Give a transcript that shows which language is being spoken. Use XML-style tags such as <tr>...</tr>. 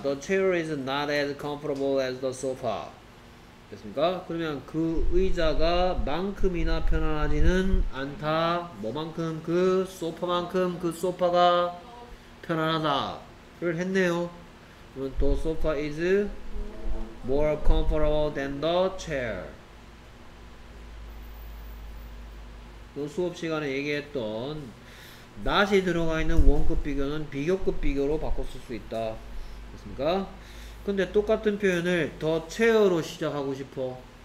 <en>The chair is not as comfortable as the sofa.</en> <ko>됐습니까? 그러면 그 의자가 만큼이나 편안하지는 않다. 뭐만큼? 그 소파만큼 그 소파가 편안하다를 했네요. 그러면</ko> <en>the sofa is more comfortable than the chair.</en> <ko>또 수업 시간에 얘기했던 not이 들어가 있는 원급 비교는 비교급 비교로 바꿨을 수 있다. 됐습니까? 근데 똑같은 표현을 더 체어로 시작하고 싶어.</ko>